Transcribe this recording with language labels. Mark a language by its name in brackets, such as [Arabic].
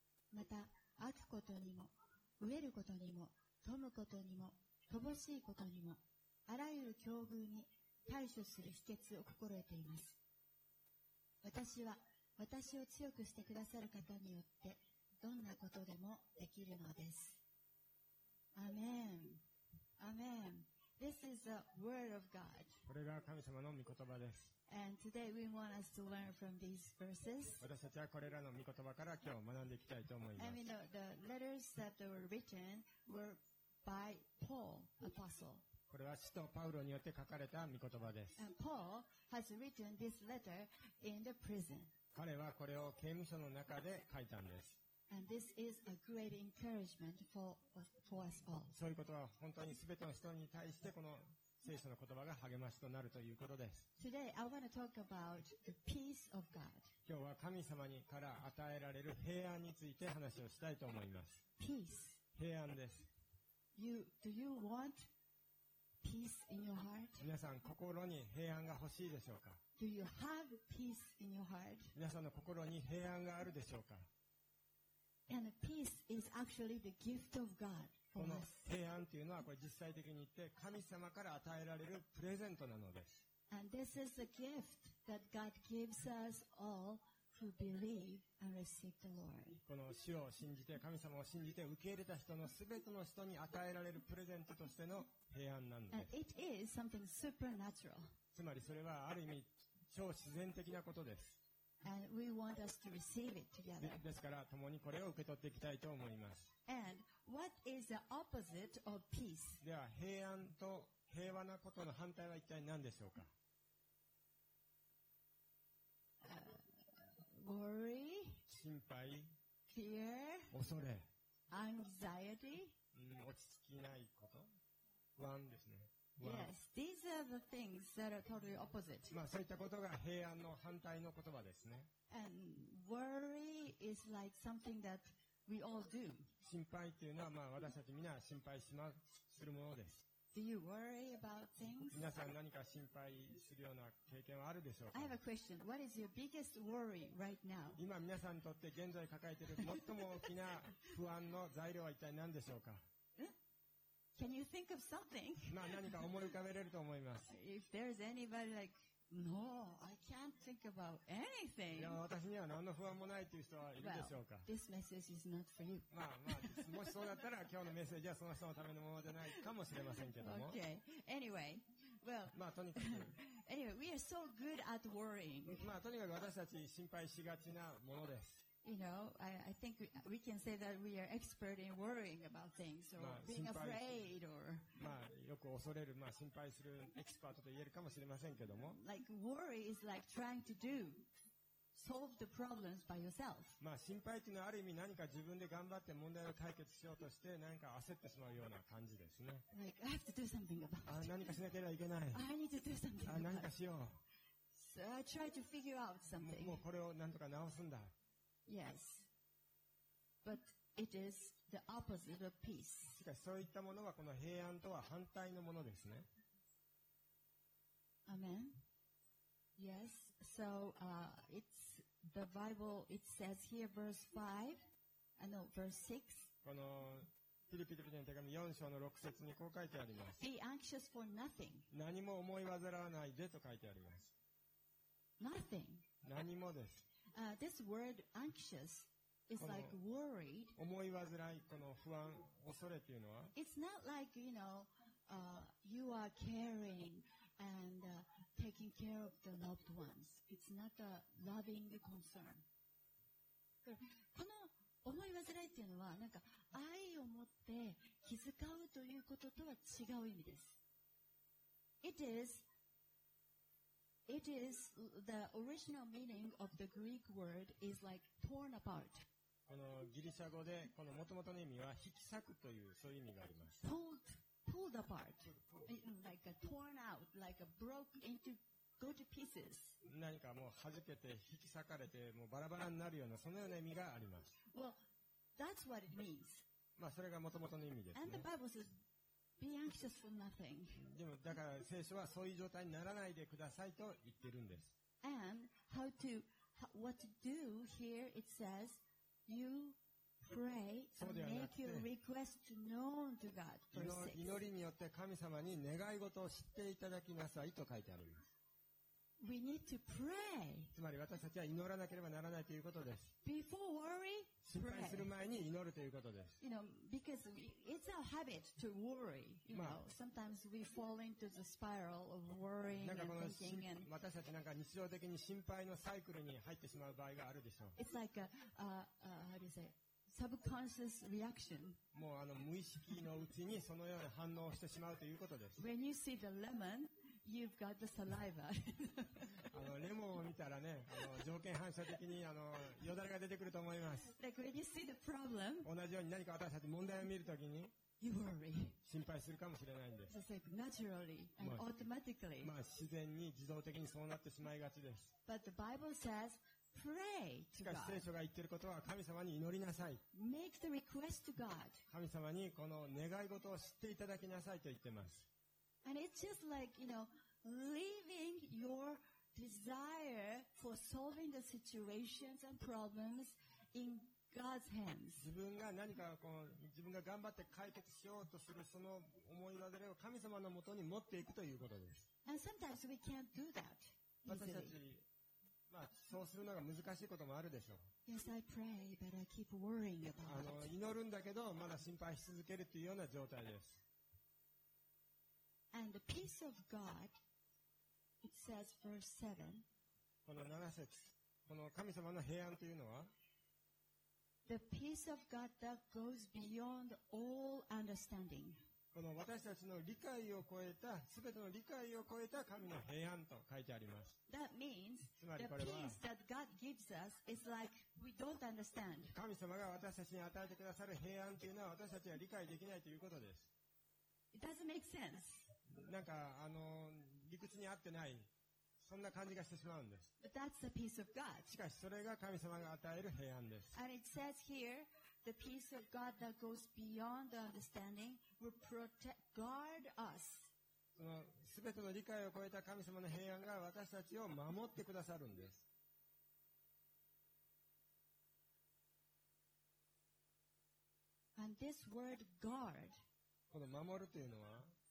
[Japanese] また、飽くことにも、飢えることにも、富むことにも、乏しいことにも、あらゆる境遇に対処する秘訣を心得ています。私は、私を強くしてくださる方によって、どんなことでもできるのです。 [English] アメン。アメン。This is the word of God. [Japanese] これが神様の御言葉です。 [English] And today we want us to learn from these verses. [Japanese] 私たちはこれらの御言葉から今日学んでいきたいと思います。 [English] I mean, the letters that were written were by Paul, apostle. [Japanese] これは使徒パウロによって書かれた御言葉です。 [English] And Paul has written this letter in the prison. [Japanese] 彼はこれを刑務所の中で書いたんです。 [English] And this is a great encouragement for us all. [Japanese] そういうことは本当にすべての人に対してこの聖書の言葉が励ましとなるということです。 [English] Today I want to talk about the peace of God. [Japanese] 今日は神様にから与えられる平安について話をしたいと思います。 [English] Peace. [Japanese] 平安です。 [English] Do you want peace in your heart? [Japanese] 皆さん心に平安が欲しいでしょうか。 [English] Do you have peace in your heart? [Japanese] 皆さんの心に平安があるでしょうか。 [English] And peace is actually the gift of God for us. [Japanese] この平安というのはこれ実際的に言って神様から与えられるプレゼントなのです。 [English] And this is a gift that God gives us all who believe and receive the Lord. [Japanese] この主を信じて神様を信じて受け入れた人のすべての人に与えられるプレゼントとしての平安なんです。 [English] And it is something supernatural. [Japanese] つまりそれはある意味超自然的なことです。 [English] And we want us to receive it together. [Japanese] ですから共にこれを受け取っていきたいと思います。 [English] And what is the opposite of peace? [Japanese] では平安と平和なことの反対は一体何でしょうか。 [English] Worry. [Japanese] 心配。 [English] Fear. [Japanese] 恐れ。 [English] Anxiety. [Japanese] 落ち着きないこと。不安ですね。 [English] Yes, these are the things that are totally opposite. [Japanese] まあ、そういったことが平安の反対の言葉ですね。 [English] And worry is like something that we all do. [Japanese] 心配というのは、まあ、私たちみんな心配しするものです。 [English] Do you worry about things? [Japanese] 皆さん何か心配するような経験はあるでしょうか? [English] I have a question. What is your biggest worry right now? [Japanese] 今皆さんにとって現在抱えている最も大きな不安の材料は一体何でしょうか? [English] Can you think of something? [Japanese] まあ何か思い浮かべれると思います。 [English] If there is anybody like, no, I can't think about anything. [Japanese] いや私には何の不安もないという人はいるでしょうか? [English] Well, this message is not for you. [Japanese] まあまあ、もしそうだったら今日のメッセージはその人のためのものじゃないかもしれませんけども。 [English] Okay. Anyway, well, [Japanese] まあとにかく。 [English] Anyway, we are so good at worrying. [Japanese] まあとにかく私たち心配しがちなものです。 [English] You know, I think we can say that we are expert in worrying about things or being afraid or. [Japanese] まあよく恐れる、まあ心配するエキスパートと言えるかもしれませんけども。 [English] Like worry is like trying to do solve the problems by yourself. [Japanese] まあ心配というのはある意味何か自分で頑張って問題を解決しようとして何か焦ってしまうような感じですね。 [English] Like I have to do something about. [Japanese] 何かしなければいけない。 [English] I need to do something. [Japanese] 何かしよう。 [English] So I try to figure out something. [Japanese] もうこれを何とか直すんだ。 [English] Yes, but it is the opposite of peace. [Japanese] しかしそういったものはこの平安とは反対のものですね。 [English] Amen. Yes. So, it's the Bible. It says here, verse 5. No, verse 6. [Japanese] このフィリピ人への手紙4章の6節にこう書いてあります。 [English] Be anxious for nothing. [Japanese] 何も思い煩わないでと書いてあります。 [English] Nothing. [Japanese] 何もです。 [English] This word anxious is like worried. [Japanese] 思い煩い、この不安、恐れというのは [English] It's not like, you know, you are caring and taking care of the loved ones. It's not a loving concern. [Japanese] この思い煩いというのは、なんか愛を持って気遣うということとは違う意味です。 [English] It is the original meaning of the Greek word is like torn apart. [Japanese] このギリシャ語でこの元々の意味は引き裂くというそういう意味があります。 [English] Pulled apart, like a torn out, like a broke into, go to pieces. [Japanese] 何かもう弾けて引き裂かれてもうバラバラになるようなそのような意味があります。 [English] Well, that's what it means. [Japanese] まあそれが元々の意味ですね。 [English] And the Bible says,Be anxious for nothing. [Japanese] でもだから聖書はそういう状態にならないでくださいと言ってるんです。 [English] And how to what to do here? It says you pray to make your request known to God. [Japanese] 祈りによって神様に願い事を知っていただきなさいと書いてあります。 [English] We need to pray. [Japanese] つまり私たちは祈らなければならないということです。 [English] Before worry, pray. [Japanese] 心配する前に祈るということです。 [English] You know, because it's our habit to worry. You know, sometimes we fall into the spiral of worrying and thinking. [Japanese] And 私たちなんか日常的に心配のサイクルに入ってしまう場合があるでしょう。 [English] It's like a how do you say subconscious reaction. [Japanese] もうあの無意識のうちにそのような反応をしてしまうということです。 [English] When you see the lemon. You've got the saliva. [Japanese] あのレモンを見たらね、あの条件反射的にあのよだれが出てくると思います。 [English] Like when you see the problem, [Japanese] 同じように何か私たち問題を見るときに、 [English] you worry. [Japanese] 心配するかもしれないんです。 [English] Just like naturally and automatically. [Japanese] まあ自然に自動的にそうなってしまいがちです。 [English] But the Bible says, pray to God. [Japanese] しかし聖書が言っていることは神様に祈りなさい。 [English] Make the request to God. [Japanese] 神様にこの願い事を知っていただきなさいと言ってます。 [English] And it's just like, you know, leaving your desire for solving the situations and problems in God's hands. [Japanese] 自分が何かこう自分が頑張って解決しようとするその思い煩いを神様のもとに持っていくということです。 [English] And sometimes we can't do that easily. [Japanese] 私たち、まあそうするのが難しいこともあるでしょう。 [English] Yes, I pray, but I keep worrying about it. [Japanese] あの祈るんだけどまだ心配し続けるというような状態です。 [English] And the peace of God, it says verse 7. [Japanese] この7節、この神様の平安というのは、 [English] The peace of God that goes beyond all understanding. [Japanese] この私たちの理解を超えた、すべての理解を超えた神の平安と書いてあります。 [English] That means the peace that God gives us is like we don't understand. [Japanese] 神様が私たちに与えてくださる平安というのは私たちは理解できないということです。 [English] It doesn't make sense. [Japanese] なんかあの理屈に合ってないそんな感じがしてしまうんです。 [English] But that's the peace of God. [Japanese] しかしそれが神様が与える平安です。 [English] And it says here, the peace of God that goes beyond the understanding will protect, guard us. [Japanese] その全ての理解を超えた神様の平安が私たちを守ってくださるんです。 [English] And this word guard, [Japanese] この守るというのは